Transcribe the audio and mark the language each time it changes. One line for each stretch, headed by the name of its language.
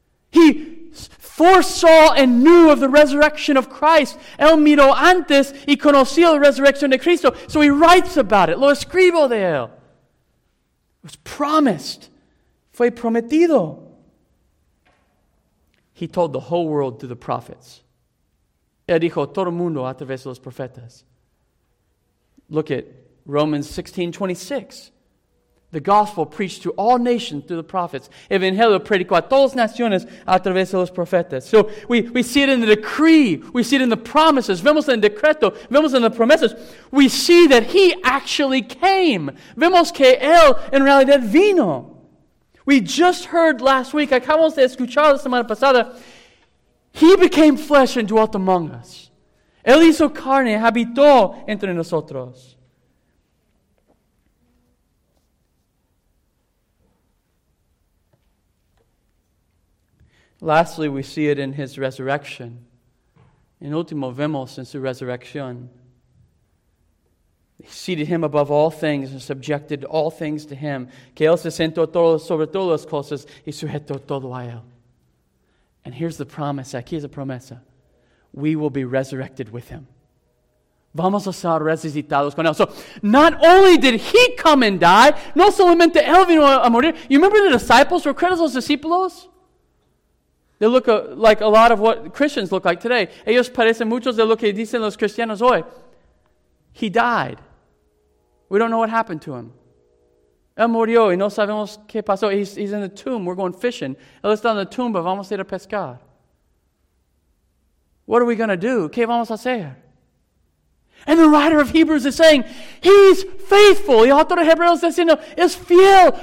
English: He foresaw and knew of the resurrection of Christ.
Spanish: Él miró antes y conoció la resurrección de Cristo.
English: So he writes about it.
Spanish: Lo escribo de él.
English: It was promised.
Spanish: Fue prometido.
English: He told the whole world through the prophets.
Spanish: Él dijo todo el mundo a través de los profetas.
English: Look at Romans 16:26. The gospel preached to all nations through the prophets.
Spanish: Evangelio predicó a todas naciones a través de los profetas.
English: So we see it in the decree. We see it in the promises.
Spanish: Vemos en el decreto. Vemos en las promesas.
English: We see that he actually came.
Spanish: Vemos que él en realidad vino.
English: We just heard last week,
Spanish: acabamos de escuchar la semana pasada,
English: he became flesh and dwelt among us.
Spanish: Él hizo carne, habitó entre nosotros.
English: Lastly, we see it in his resurrection.
Spanish: En último, vemos en su resurrección.
English: He seated him above all things and subjected all things to him.
Spanish: Que él se sentó todo, sobre todas las cosas y sujetó todo a él.
English: And here's the promise.
Spanish: Aquí es la promesa.
English: We will be resurrected with him.
Spanish: Vamos a ser resucitados con él.
English: So, not only did he come and die,
Spanish: no solamente él vino a morir.
English: You remember the disciples?
Spanish: ¿Recuerdas los discípulos?
English: They look like a lot of what Christians look like today.
Spanish: Ellos parecen muchos de lo que dicen los cristianos hoy.
English: He died. We don't know what happened to him.
Spanish: Él murió y no sabemos qué pasó.
English: He's in the tomb. We're going fishing.
Spanish: Él está en la tumba. Vamos a ir a pescar.
English: What are we going to do?
Spanish: ¿Qué vamos a hacer?
English: And the writer of Hebrews is saying, he's faithful.
Spanish: Y el autor de Hebreos está diciendo, es fiel.